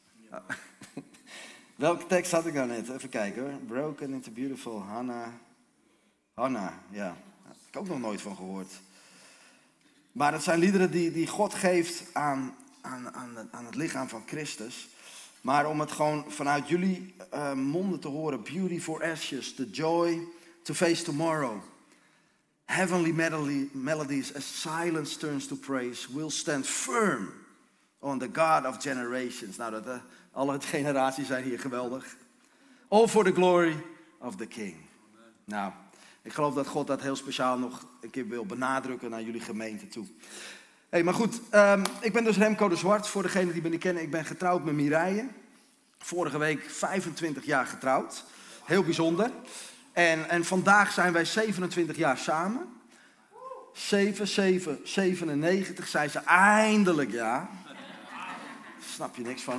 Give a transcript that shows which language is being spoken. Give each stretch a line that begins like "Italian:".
Dutch: Ja. Welke tekst had ik nou net? Even kijken hoor. Broken into Beautiful, Hannah, ja. Daar heb ik ook nog nooit van gehoord. Maar het zijn liederen die God geeft aan het lichaam van Christus. Maar om het gewoon vanuit jullie monden te horen.
English: Beauty for ashes, the joy to face tomorrow. Heavenly melodies as silence turns to praise. We'll stand firm on the God of generations.
Dutch: Nou, dat alle generaties zijn hier geweldig.
English: All for the glory of the King. Amen.
Dutch: Nou, ik geloof dat God dat heel speciaal nog een keer wil benadrukken naar jullie gemeente toe. Hey, maar goed, ik ben dus Remco de Zwart. Voor degenen die me niet kennen, ik ben getrouwd met Mireille. Vorige week 25 jaar getrouwd. Heel bijzonder. En vandaag zijn wij 27 jaar samen. 7/7/97 zei ze eindelijk ja. Snap je niks van.